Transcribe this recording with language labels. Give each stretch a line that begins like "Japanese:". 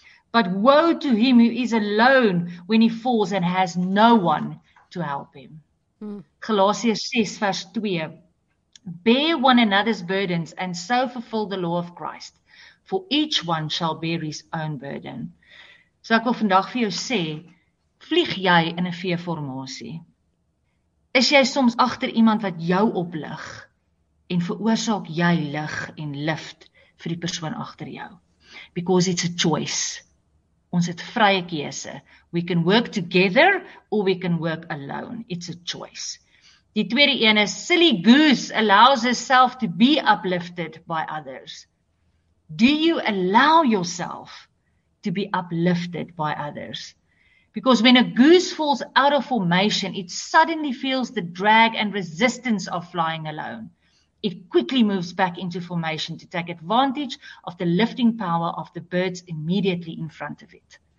English: But woe to him who is alone when he falls and has no one to help him. Galatians 6 vers 2. Bear one another's burdens and so fulfill the law of Christ. For each one shall bear his own burden.
Afrikaans: So ek wil vandag vir jou sê, vlieg jy in 'n V-formasie? Is jy soms agter iemand wat jou oplig en veroorsaak jy lig en lift vir die persoon agter jou?
English: Because it's a choice.
Afrikaans: Ons het vrye keuse.
English: We can work together or we can work alone. It's a choice.
Afrikaans: Die tweede een is
English: silly goose allows itself to be uplifted by others. Do you allow yourself to be uplifted by others? Because when a goose falls out of formation, it suddenly feels the drag and resistance of flying alone. It quickly moves back into formation to take advantage of the lifting power of the birds immediately in front of it.